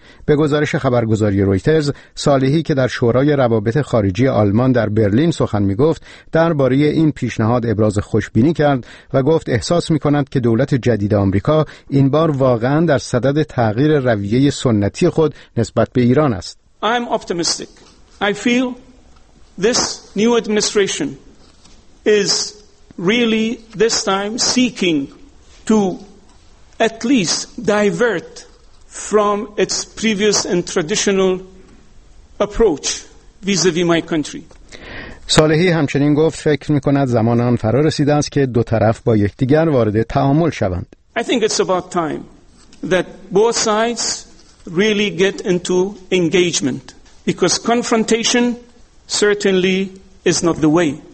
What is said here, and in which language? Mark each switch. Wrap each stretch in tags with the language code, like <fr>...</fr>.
<fa>به گزارش خبرگزاری رویترز، صالحی که در شورای روابط خارجی آلمان در برلین سخن می گفت، درباره این پیشنهاد ابراز خوشبینی کرد و گفت احساس می کند که دولت جدید آمریکا این بار واقعا در صدد تغییر رویه سنتی خود نسبت به ایران است.</fa> <en>I'm optimistic. I feel this new administration is really this time seeking to at least divert from its previous and traditional approach vis-à-vis my country.</en> <fa>صالحی همچنین گفت فکر می‌کند زمان آن فرا رسیده است که دو طرف با یکدیگر وارد تعامل شوند.</fa> <en>I think it's about time that both sides really get into engagement because confrontation certainly is not the way.</en>